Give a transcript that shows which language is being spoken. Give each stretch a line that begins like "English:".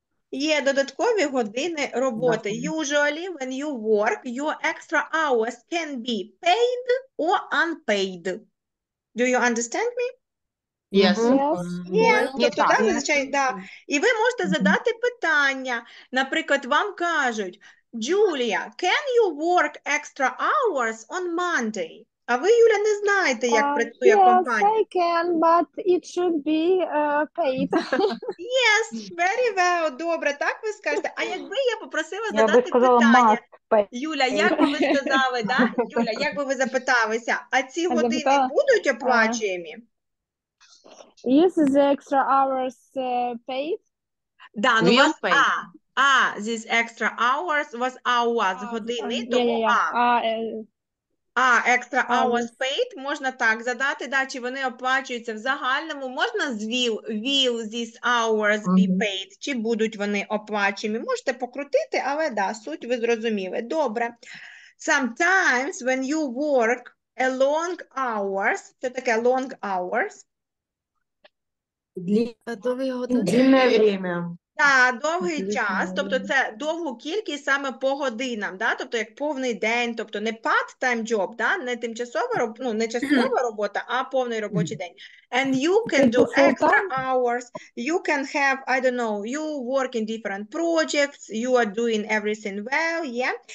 Ukrainian: Є додаткові години роботи.
English: Usually when you work, your extra hours can be paid or unpaid. Do you understand me? Yes.
Ukrainian: І ви можете задати питання. Наприклад, вам кажуть,
English: Julia, can you work extra hours on Monday?
Ukrainian: А ви, Юля, не знаєте, як працює
English: yes,
Ukrainian: компанія.
English: Yes, I can, but it should be paid. Yes, very well.
Ukrainian: Добре, так ви скажете. А якби я попросила задати питання. Я би сказала, питання.
English: Must pay.
Ukrainian: Юля, як би ви сказали, да? Юля, як би ви запиталися, а ці години будуть оплачуємі?
English: Yes, the extra hours paid.
Ukrainian: Да, ну вас paid.
English: These extra hours was hours,
Ukrainian: години, А,
English: extra hours paid,
Ukrainian: можна так задати, да, чи вони оплачуються в загальному, можна з
English: will these hours be paid,
Ukrainian: чи будуть вони оплачені, можете покрутити, але да, суть ви зрозуміли. Добре.
English: Sometimes when you work a long hours,
Ukrainian: що таке
English: long hours?
Russian: Длинне время.
Ukrainian: Так, да, довгий час, тобто це довгу кількість саме по годинам, да? Тобто як повний день, тобто не part-time job, да? Не тимчасова, ну, не часова робота, а повний робочий день.
English: And you can do extra hours, you can have, I don't know, you work in different projects, you are doing everything well, yeah?